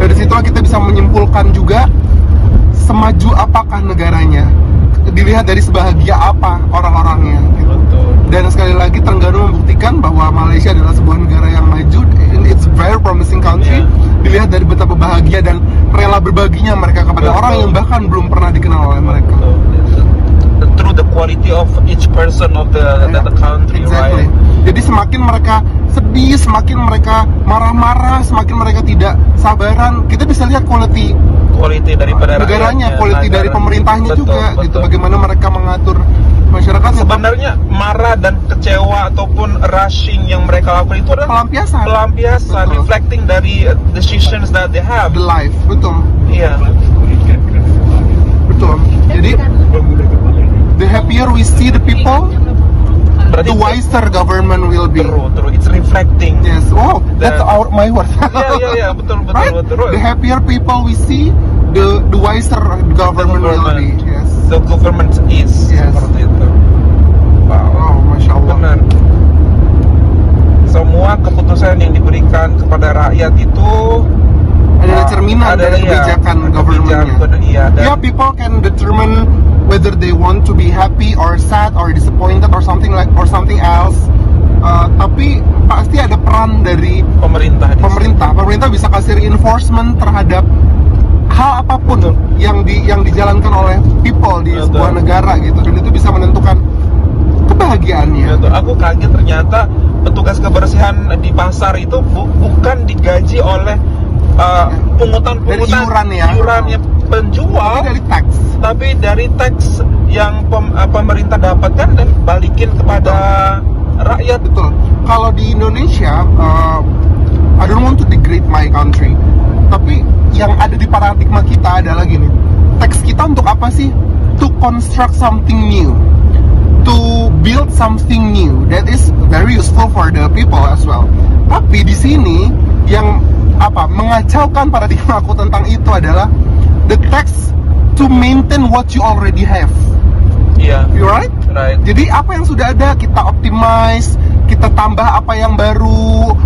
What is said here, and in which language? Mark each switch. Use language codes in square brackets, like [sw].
[id] Dari situlah kita bisa menyimpulkan juga semaju apakah negaranya, dilihat dari sebahagia apa orang-orangnya, gitu. Betul. Dan sekali lagi Terengganu membuktikan bahwa Malaysia adalah sebuah negara yang maju, [en] and it's very promising country, yeah. [id] Dilihat dari betapa bahagia dan rela berbaginya mereka kepada orang yang bahkan belum pernah dikenal oleh mereka. [en] Through the quality of each person of the the country, exactly. Right? [id] Jadi semakin mereka sedih, semakin mereka marah-marah, semakin mereka tidak sabaran, kita bisa lihat quality daripada negaranya, rakyatnya, quality negara, dari pemerintahnya, betul, juga, betul. Gitu. Bagaimana mereka mengatur masyarakat? Sebenarnya marah dan kecewa ataupun rushing yang mereka lakukan itu adalah pelampiasan, [en] reflecting [id] dari [en] decisions that they have. The life, [id] betul. Iya. Yeah. Betul. Jadi [en] the happier we see the people, [id] berarti [en] the wiser government will be. True. It's reflecting. Yes. Oh, that's our my word. Yeah. Betul. Right? [id] Betul. [en] The happier people we see, the wiser government will be. Yes. The government is. Yes. Wow. Oh, Masya Allah. [id] Benar. Semua keputusan yang diberikan kepada rakyat itu adalah cerminan dari kebijakan government-nya. Yeah, [en] people can determine whether they want to be happy or sad or disappointed or something like or something else. [id] Tapi pasti ada peran dari pemerintah. Pemerintah bisa kasih reinforcement terhadap hal apapun yang dijalankan oleh people di sebuah negara, gitu. Dan itu bisa menentukan kebahagiaannya. Betul. Aku kaget ternyata petugas kebersihan di pasar itu bukan digaji oleh pungutan iurannya penjual, tapi dari teks yang pemerintah dapatkan dan balikin kepada rakyat. Betul. Kalau di Indonesia, [en] I don't want to degrade my country, [id] tapi yang ada di paradigma kita adalah gini, teks kita untuk apa sih? [en] To construct something new, to build something new, that is very useful for the people as well. [id] Tapi di sini yang mengacaukan paradigma aku tentang itu adalah [en] the tax to maintain what you already have. Yeah. You right? Right. [id] Jadi apa yang sudah ada kita optimize, kita tambah apa yang baru,